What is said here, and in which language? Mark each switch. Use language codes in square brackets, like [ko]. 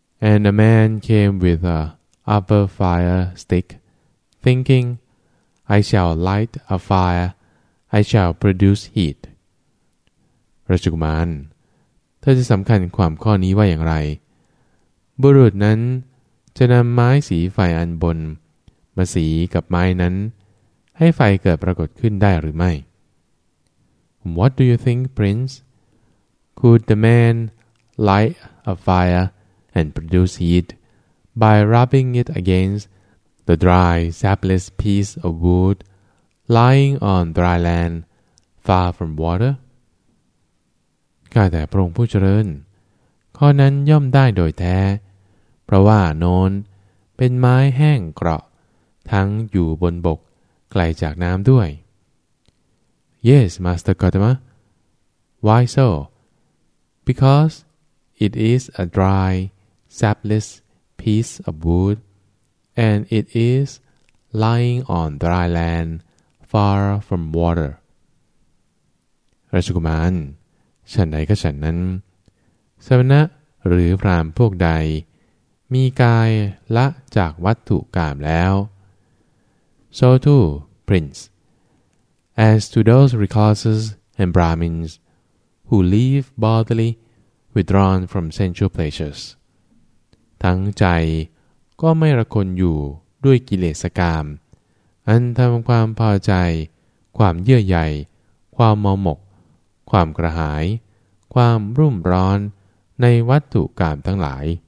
[en] And a man came with a upper fire stick thinking I shall light a fire I shall produce heat [th] ราชกุมารเธอจะสำคัญความข้อนี้ว่าอย่างไรบุรุษนั้นจะนำไม้สีไฟอันบนมาสีกับไม้นั้นให้ไฟเกิดปรากฏขึ้นได้หรือไม่ [en] What do you think, Prince? Could the man light a fire and produce heat by rubbing it against the dry, sapless piece of wood lying on dry land far from water? [th] ข้าแต่พระองค์ผู้เจริญข้อนั้นย่อมได้โดยแท้เพราะว่าโน้นเป็นไม้แห้งเกราะทั้งอยู่บนบกไกลจากน้ำด้วย [en] Yes, Master Gotama. Why so? Because it is a dry, sapless piece of wood, and it is lying on dry land far from water. [th] ราชกุมารฉันใดก็ฉันนั้นสมณะหรือพราหมณ์พวกใดมีกายละจากวัตถุกามแล้ว [en] So too, Prince, as to those recluses and Brahmins who live bodily withdrawn from sensual pleasures, [th] ทั้งใจก็ไม่ระคนอยู่ด้วยกิเลสกามอันทำความพอใจความเยื่อใยความมอหมกความกระหายความรุ่มร้อนในวัตถุกามทั้งหลาย